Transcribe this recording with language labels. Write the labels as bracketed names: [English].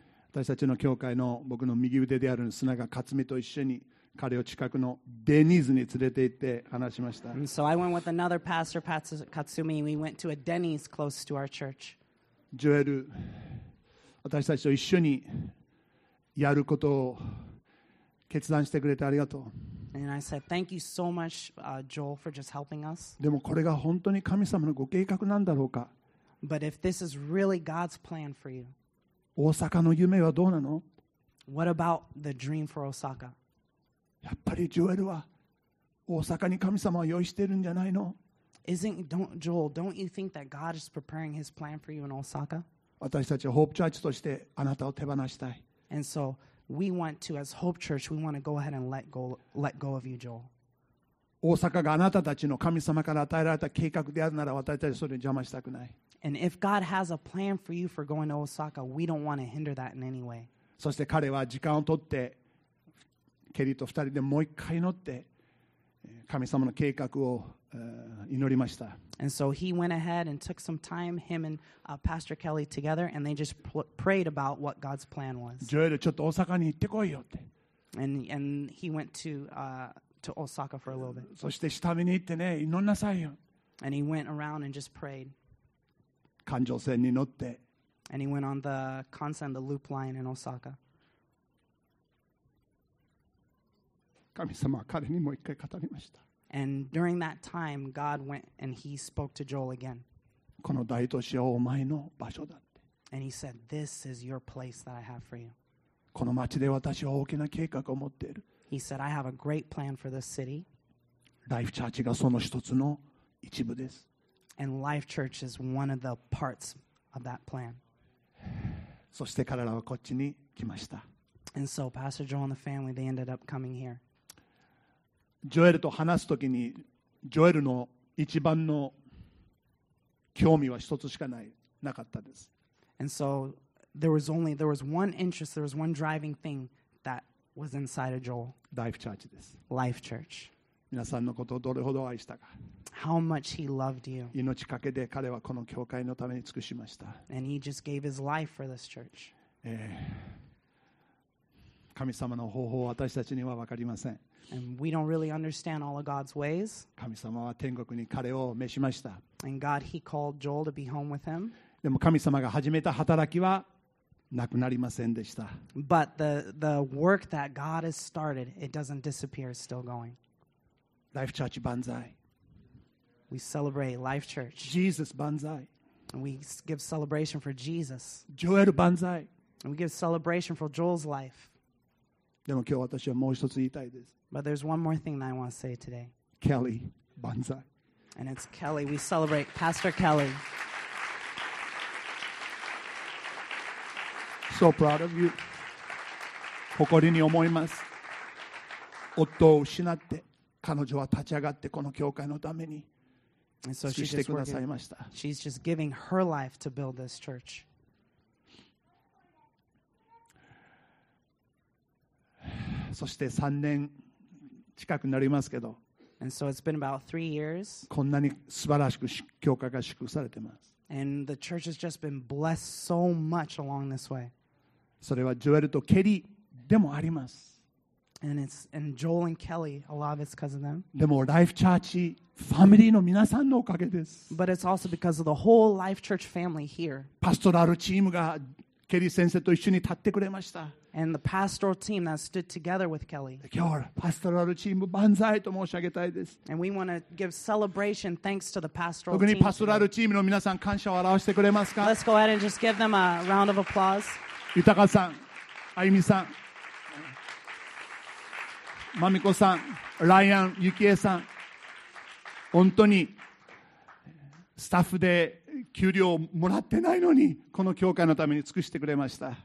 [Japanese] 私たちの教会の僕の右腕である砂川克美と一緒に彼を近くのデニーズに連れて行って話しました。 [English] so I went with another pastor, Pastor Katsumi. We went to a Denny's close to our church. [Japanese] ジョエル、私たちと一緒にやることを決断してくれてありがとう。 [English] And I said, thank you so much, Joel, for just helping us. [Japanese] でもこれが本当に神様のご計画なんだろうか。 [English] But if this is really God's plan for you. [Japanese] 大阪の夢はどうなの？ [English] What about the dream for Osaka? [Japanese] やっぱりジョエルは大阪に神様を用意してるんじゃないの？ [English] Joel, don't you think that God is preparing His plan for you in Osaka? [Japanese] 私たちホープチャーチとしてあなたを手放したい。 [English] And so we want to, as Hope Church, we want to go ahead and let go of you, Joel. [Japanese] 大阪があなたたちの神様から与えられた計画であるなら、私たちそれに邪魔したくない。 [English] And if God has a plan for you for going to Osaka, we don't want to hinder that in any way. [Japanese] そして彼は時間を取って。ケリーと二人でもう一回祈って神様の計画を祈りました。 [English] And so he went ahead and took some time, him and Pastor Kelly together, and they just prayed about what God's plan was. [Japanese] ジョエル、ちょっと大阪に行ってこいよって。 [English] And he went to Osaka for a little bit. [Japanese] そして下見に行ってね、祈んなさいよ。 [English] And he went around and just prayed. [Japanese] 環状線に乗って。 [English] And he went on the Kansen, the loop line in Osaka. [Japanese] 神様は彼にもう一回語りました。 [English] And during that time, God went and he spoke to Joel again. [Japanese] この大都市はお前の場所だって。 [English] And he said, "This is your place that I have for you." [Japanese] この町で私は大きな計画を持っている。 [English] He said, "I have a great plan for this city." [Japanese] Life Church がその一つの一部です。 [English] And Life Church is one of the parts of that plan. [Japanese] そして彼らはこっちに来ました。 [English] And so Pastor Joel and the family, they ended up coming here. [Japanese] ジョエルと話すときにジョエルの一番の興味は一つしかない、なかったです。 [English] And so there was only there was one interest, there was one driving thing that was inside of Joel. [Japanese] Life Church です。 [English] Life Church. [Japanese] 皆さんのことをどれほど愛したか。 [English] How much he loved you. [Japanese] 命かけて彼はこの教会のために尽くしました。 [English] And he just gave his life for this church. [Japanese] 神様の方法は私たちには分かりません。 [English] And we don't really understand all of God's ways. [Japanese] 神様は天国に彼を召しました。 [English] And God, he called Joel to be home with him. [Japanese] でも神様が始めた働きはなくなりませんでした。 [English] But the work that God has started, it doesn't disappear, it's still going. [Japanese] Life Church 万歳。 [English] We celebrate Life Church. [Japanese] Jesus 万歳。 [English] And we give celebration for Jesus. [Japanese] Joel 万歳。 [English] And we give celebration for Joel's life. [Japanese] でも今日私はもう一つ言いたいです。 [English] But there's one more thing that I want to say today. [Japanese] Kelly, 万歳。 [English] And it's Kelly. We celebrate Pastor Kelly. So proud of you. [Japanese] 誇りに思います。夫を失って、彼女は立ち上がってこの教会のために尽くしてくださいました。 [English] She's just giving her life to build this church. [Japanese] そして3年近くになりますけど、 [English] And so it's been about three years. [Japanese] こんなに素晴らしく教会が祝福されてます。 [English] And the church has just been blessed so much along this way. [Japanese] それはジョエルとケリーでもあります。 [English] And it's and Joel and Kelly, a lot of it's because of them. [Japanese] でもライフチャーチファミリーの皆さんのおかげです。 [English] But it's also because of the whole Life Church family here. [Japanese] パストラルチームがケリー先生と一緒に立ってくれました。 [English] And the pastoral team that stood together with Kelly. [Japanese] 今日パストラルチーム万歳と申し上げたいです。 [English] And we want to give celebration thanks to the pastoral [Japanese] team. 特にパストラルチームの皆さん感謝を表してくれますか。 [English] Let's go ahead and just give them a round of applause. [Japanese] 豊さん、あゆみさん、まみこさん、ライアン、ゆきえさん、本当にスタッフで給料もらってないのにこの教会のために尽くしてくれました。